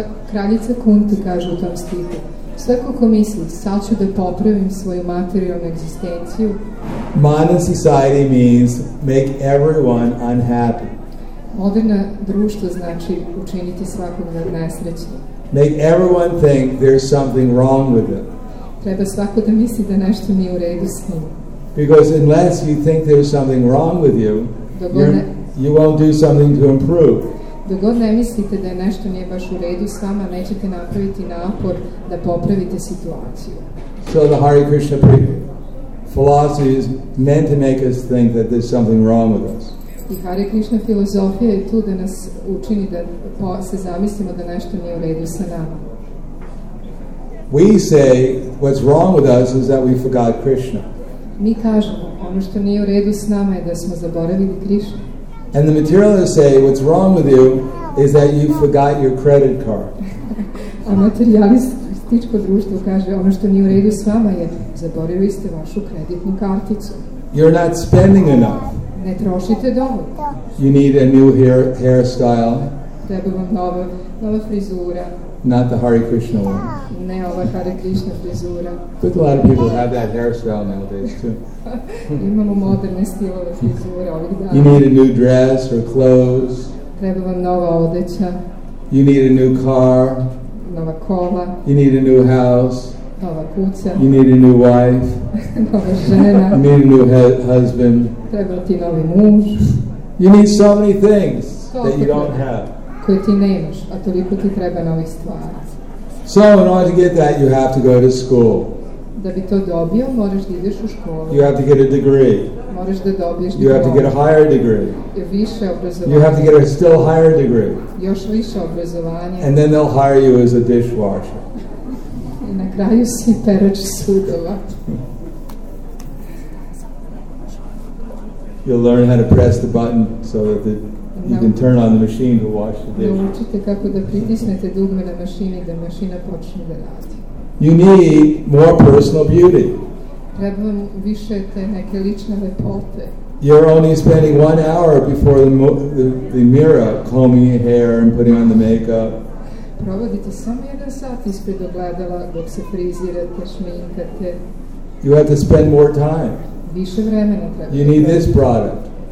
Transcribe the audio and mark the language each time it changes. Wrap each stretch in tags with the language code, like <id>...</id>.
<sr>Kraljica Kunti kaže u tom stihu, svako ko misli, sad ću da popravim svoju materijalnu egzistenciju.</sr> <en>Modern society means make everyone unhappy.</en> <sr>Moderno društvo znači učiniti svakog nesrećnim.</sr> <en>Make everyone think there's something wrong with them.</en> <sr>Treba svako da misli da nešto nije u redu s njim.</sr> <en>Because unless you think there's something wrong with you, you won't do something to improve.</en> <sr>Dok god ne mislite da nešto nije baš u redu s vama, nećete napraviti napor da popravite situaciju.</sr> <en>So the Hare Krishna philosophy is meant to make us think that there's something wrong with us.</en> <sr>I Hare Krishna filozofija je tu da nas učini da se zamislimo da nešto nije u redu sa nama.</sr> <en>We say what's wrong with us is that we forgot Krishna.</en> <sr>Mi kažemo, ono što nije u redu s nama je da smo zaboravili Krishna.</sr> <en>And the materialists say, what's wrong with you is that you forgot your credit card.</en> <sr>A materialističko društvo kaže, ono što nije u redu s vama je, zaboravili ste vašu kreditnu karticu.</sr> <en>You're not spending enough.</en> <sr>Ne trošite dovoljno.</sr> <en>You need a new hairstyle.</en> <sr>Treba vam nova frizura.</sr> <en>Not the Hare Krishna one.</en> <sr>Ne ova Hare Krishna frizura.</sr> <en>But a lot of people have that hairstyle nowadays too.</en> <sr>Imamo moderne stilove frizure ovih dana.</sr> <en>You need a new dress or clothes.</en> <sr>Treba vam nova odeća.</sr> <en>You need a new car.</en> <sr>Nova kola.</sr> <en>You need a new house.</en> <sr>Nova kuća.</sr> <en>You need a new wife.</en> <sr>Nova žena.</sr> <en>You need a new husband.</en> <sr>Treba ti novi muž.</sr> <en>You need so many things that you don't have.</en> <sr>Koje ti nemaš, a toliko ti treba novih stvari.</sr> <en>So in order to get that, you have to go to school.</en> <sr>Da bi to dobio, moraš da ideš u školu.</sr> <en>You have to get a degree.</en> <sr>Moraš da dobiješ diplomu.</sr> <en>Have to get a higher degree.</en> <sr>Više obrazovanje.</sr> <en>You have to get a still higher degree.</en> <sr>Još više obrazovanje.</sr> <en>And then they'll hire you as a dishwasher.</en> <sr>I na kraju si perač sudova.</sr> <en>You'll learn how to press the button so that the you can turn on the machine to wash the dishes.</en> <sr>Naučite kako da pritisnete dugme na mašini da mašina počne da radi.</sr> <en>You need more personal beauty.</en> <sr>Treba vam više te neke lične lepote.</sr> <en>You're only spending 1 hour before the mirror combing your hair and putting on the makeup.</en> <sr>Provodite samo jedan sat ispred ogledala dok se frizirate, šminkate.</sr> <en>You have to spend more time.</en> <sr>Više vremena treba.</sr> <en>You need this product.</en>